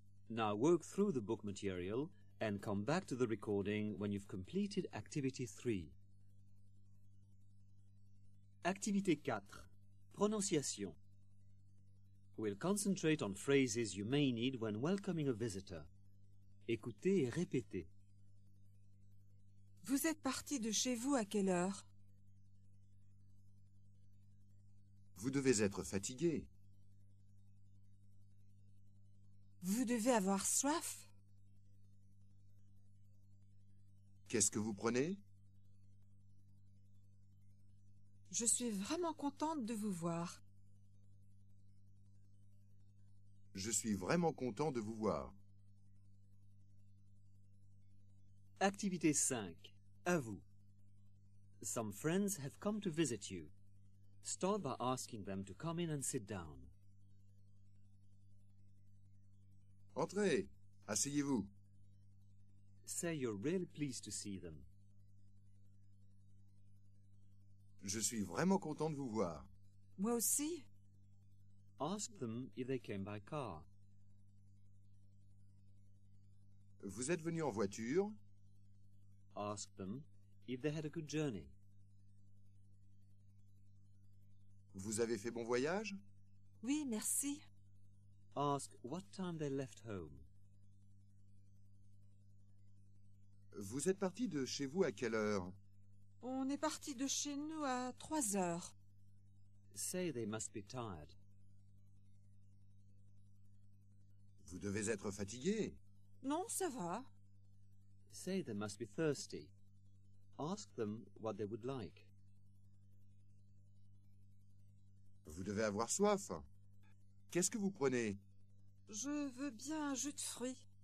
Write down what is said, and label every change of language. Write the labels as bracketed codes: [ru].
[en] Now work through the book material and come back to the recording when you've completed activity 3. [fr] Activité 4. Prononciation. [en] We'll concentrate on phrases you may need when welcoming a visitor. [fr] Écoutez et répétez. Vous êtes parti de chez vous à quelle heure? Vous devez être fatigué. Vous devez avoir soif. Qu'est-ce que vous prenez? Je suis vraiment contente de vous voir. Je suis vraiment content de vous voir. Activité 5. À vous. [en] Some friends have come to visit you. Start by asking them to come in and sit down. [fr] Entrez. Asseyez-vous. [en] Say you're really pleased to see them. [fr] Je suis vraiment content de vous voir. Moi aussi. [en] Ask them if they came by car. [fr] Vous êtes venu en voiture? [en] Ask them if they had a good journey. [fr] Vous avez fait bon voyage? Oui, merci. [en] Ask what time they left home. [fr] Vous êtes parti de chez vous à quelle heure? On est parti de chez nous à 3h. [en] Say they must be tired. [fr] Vous devez être fatigué. Non, ça va. [en] Say they must be thirsty. Ask them what they would like. [fr] Vous devez avoir soif. Qu'est-ce que vous prenez? Je veux bien un jus de fruits.